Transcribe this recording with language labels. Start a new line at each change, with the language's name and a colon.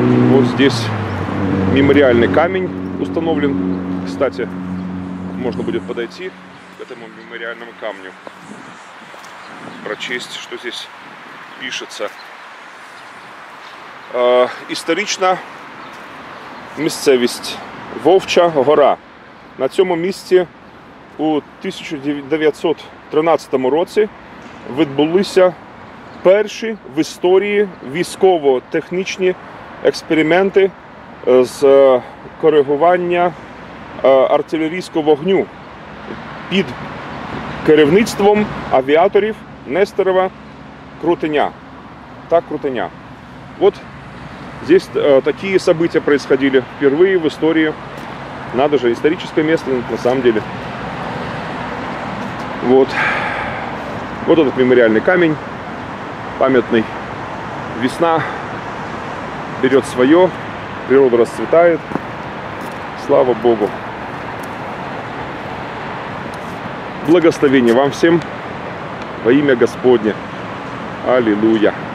Russian: Вот здесь мемориальный камень установлен. Кстати, можно будет подойти к этому мемориальному камню, прочесть, что здесь пишется.
Ukrainian: Історична місцевість Вовча гора. На цьому місці у 1913 році відбулися перші в історії військово-технічні експерименти з коригування артилерійського вогню під керівництвом авіаторів Нестерова Крутеня та Крутеня.
Russian: От здесь такі события происходили впервые
Ukrainian: в історії.
Russian: Надо же,
Ukrainian: історичне місце
Russian: на самом деле. От. Вот этот мемориальный камень памятный. Весна берет свое, природа расцветает, слава Богу. благословения вам всем во имя Господне. Аллилуйя.